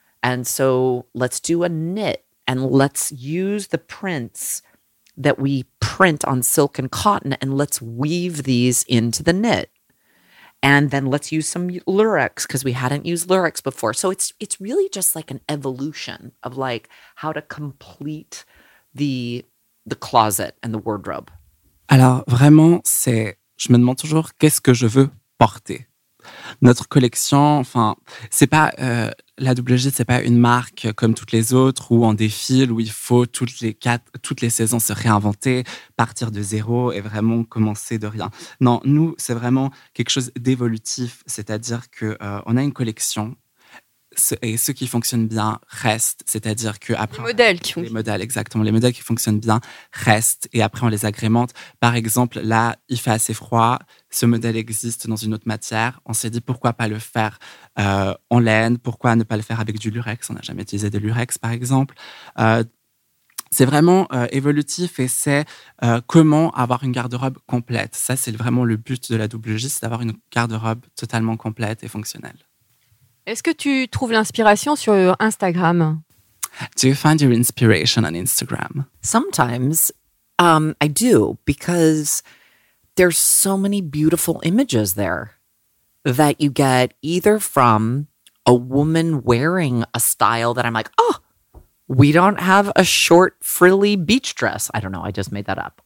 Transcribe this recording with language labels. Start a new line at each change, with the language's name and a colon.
English: And so let's do a knit and let's use the prints that we print on silk and cotton and let's weave these into the knit. And then let's use some lurex because we hadn't used lurex before. So it's really just like an evolution of like how to complete the closet and the wardrobe.
French: Alors vraiment, c'est je me demande toujours qu'est-ce que je veux porter. Notre collection, enfin, c'est pas la double G, c'est pas une marque comme toutes les autres où on défile, où il faut toutes les saisons se réinventer, partir de zéro et vraiment commencer de rien. Non, nous, c'est vraiment quelque chose d'évolutif, c'est-à-dire que on a une collection et ceux qui fonctionnent bien restent, c'est-à-dire que après les modèles qui fonctionnent bien restent et après on les agrémente. Par exemple, là, il fait assez froid. Ce modèle existe dans une autre matière. On s'est dit, pourquoi pas le faire en laine? Pourquoi ne pas le faire avec du lurex? On n'a jamais utilisé de lurex, par exemple. C'est vraiment évolutif et c'est comment avoir une garde-robe complète. Ça, c'est vraiment le but de la double G, c'est d'avoir une garde-robe totalement complète et fonctionnelle. Est-ce que tu trouves l'inspiration sur Instagram?
English: Do you find your inspiration on Instagram? Sometimes I do because there's so many beautiful images there that you get either from a woman wearing a style that I'm like, oh, we don't have a short, frilly beach dress. I don't know. I just made that up.